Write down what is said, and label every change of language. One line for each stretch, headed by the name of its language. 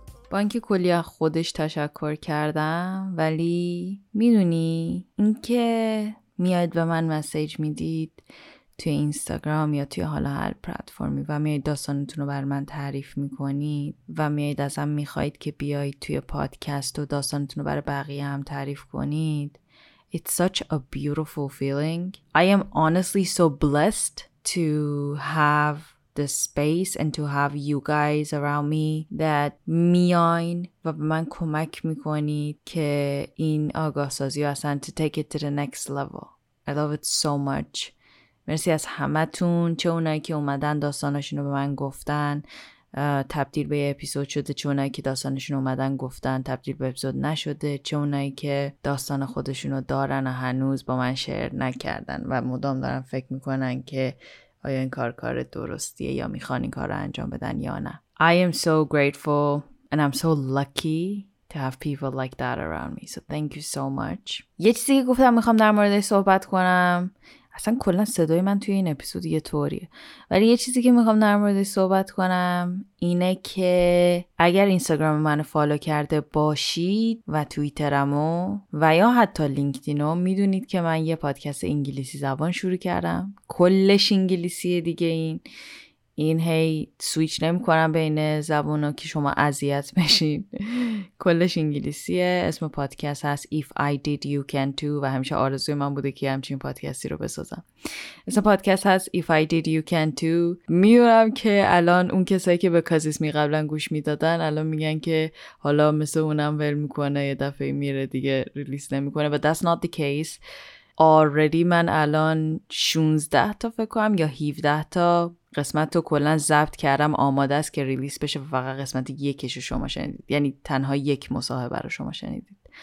Persian: با اینکه کلی از خودش تشکر کردم، ولی میدونی اینکه میاد به من مسیج میدید توی اینستاگرام یا توی حالا هر پلتفرمی و میاد داستانتون رو بر من تعریف میکنید و میاد ازم میخواید که بیاید توی پادکست و داستانتون رو بر بقیه هم تعریف کنید،
English: It's such a beautiful feeling. I am honestly so blessed to have the space and to have you guys around me that
Persian: میاین و به من کمک میکنید که این آگاه سازی و اصلا
English: to take it to the next level. I love it so much.
Persian: مرسی از همه تون، چه اونایی که اومدن داستانشون رو به من گفتن تبدیل به اپیزود شده، چه اونایی که داستانشون اومدن گفتن تبدیل به اپیزود نشده، چه اونایی که داستان خودشونو دارن و هنوز با من شیر نکردن و مدام دارن فکر میکنن که آیا این کار درستیه یا میخوان این کار رو انجام بدن یا نه.
English: I am so grateful and I'm so lucky to have people like that around me. So thank you so much.
Persian: یه چیزی که گفتم میخوام در مورد صحبت کنم، اصلا کلا صدای من توی این اپیزود یه طوریه، ولی یه چیزی که میخوام در مورد صحبت کنم اینه که اگر اینستاگرام منو فالو کرده باشید و توییترمو و یا حتی لینکدینو، میدونید که من یه پادکست انگلیسی زبان شروع کردم، کلش انگلیسیه دیگه. این هی سویچ نمی کنم بین زبون ها که شما اذیت بشین، کلش انگلیسیه. اسم پادکست هست If I Did You Can Too و همیشه آرزوی من بوده که همچین پادکستی رو بسازم. اسم پادکست هست If I Did You Can Too. میدونم که الان اون کسایی که به کازیسمی قبلا گوش میدادن الان میگن که حالا مثل اونم ول میکنه، یه دفعه میره دیگه ریلیس نمیکنه،
English: but that's not the case.
Persian: Already من الان 16 تا فکر کنم یا 17 تا قسمت رو کلن ضبط کردم، آماده است که ریلیس بشه و فقط قسمت یکش رو شما شنیدید، یعنی تنها یک مصاحبه رو شما شنیدید.